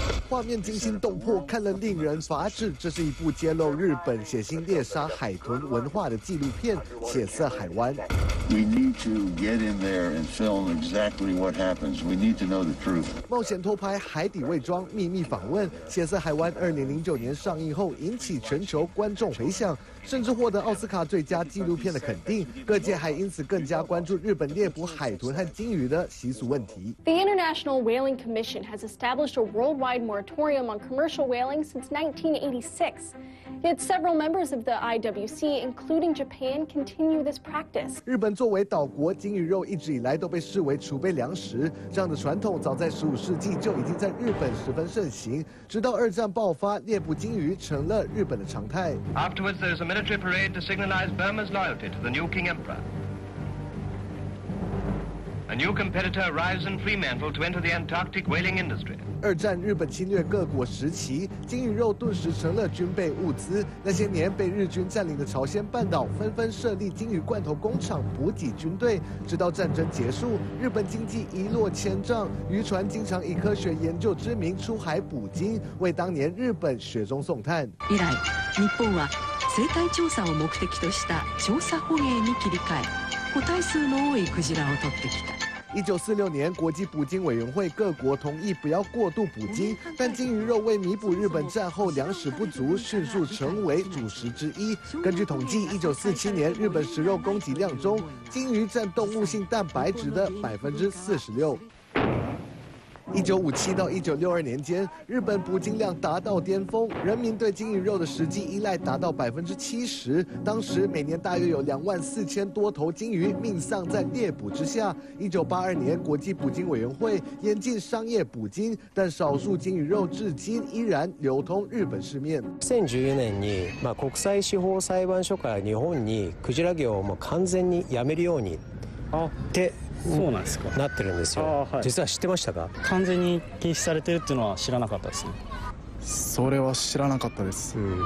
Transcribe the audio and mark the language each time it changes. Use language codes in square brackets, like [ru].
[zh] 画面惊心动魄，看了令人发指。这是一部揭露日本血腥猎杀海豚文化的纪录片《血色海湾》。 [en] We need to get in there and film exactly what happens. We need to know the truth. [zh] 冒险偷拍、海底伪装、秘密访问，《血色海湾》2009年上映后引起全球观众回响，甚至获得奥斯卡最佳纪录片的肯定。各界还因此更加关注日本猎捕海豚和鲸鱼的习俗问题。 [en] The International Whaling Commission has established a worldwide moratorium on commercial whaling since 1986. Yet several members of the IWC, including Japan, continue this practice. [zh] 日本作为岛国，鲸鱼肉一直以来都被视为储备粮食。这样的传统早在15世纪就已经在日本十分盛行。直到二战爆发，猎捕鲸鱼成了日本的常态。 [en] Afterwards, there's a military parade to signalize Burma's loyalty to the new King Emperor. A new competitor arrives in Fremantle to enter the Antarctic whaling industry. [zh] 二战日本侵略各国时期，鲸鱼肉顿时成了军备物资。那些年被日军占领的朝鲜半岛纷纷设立鲸鱼罐头工厂补给军队，直到战争结束，日本经济一落千丈，渔船经常以科学研究之名出海捕鲸，为当年日本雪中送炭。 [ja] 以来，日本は生態調査を目的とした調査捕鲸に切り替え、個体数の多いクジラを取ってきた。 [zh] 1946年，国际捕鲸委员会各国同意不要过度捕鲸，但鲸鱼肉为弥补日本战后粮食不足，迅速成为主食之一。根据统计，1947年日本食肉供给量中，鲸鱼占动物性蛋白质的46%。 1957到1962年间，日本捕鲸量达到巅峰，人民对鲸鱼肉的实际依赖达到70%。当时每年大约有24000多头鲸鱼命丧在猎捕之下。 1982年，国际捕鲸委员会严禁商业捕鲸，但少数鲸鱼肉至今依然流通日本市面。 [ja] 2010年に、まあ国際司法裁判所から日本にクジラ業を完全にやめるようにって。そうなんですか。なってるんですよ。あ、はい、実は知ってましたか。完全に禁止されてるっていうのは知らなかったですね。それは知らなかったです。